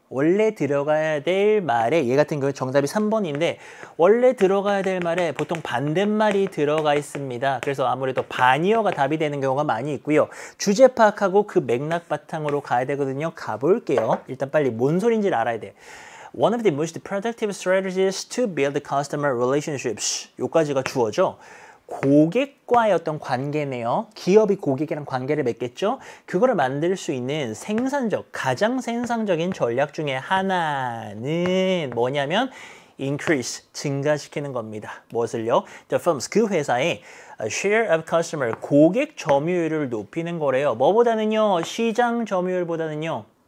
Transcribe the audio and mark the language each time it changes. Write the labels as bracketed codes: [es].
[ko] 원래 들어가야 될 말에 얘 같은 경우 정답이 3번인데 원래 들어가야 될 말에 보통 반대말이 들어가 있습니다. 그래서 아무래도 반이어가 답이 되는 경우가 많이 있고요. 주제 파악하고 그 맥락 바탕으로 가야 되거든요. 가볼게요. 일단 빨리 뭔 소린지를 알아야 돼. [en] One of the most productive strategies to build customer relationships. [ko] 요까지가 주어죠. 고객과의 어떤 관계네요. 기업이 고객이랑 관계를 맺겠죠. 그거를 만들 수 있는 생산적, 가장 생산적인 전략 중에 하나는 뭐냐면 increase, 증가시키는 겁니다. 무엇을요? The firms, 그 회사의 [en] share of customer, [ko] 고객 점유율을 높이는 거래요. 뭐보다는요? 시장 점유율보다는요?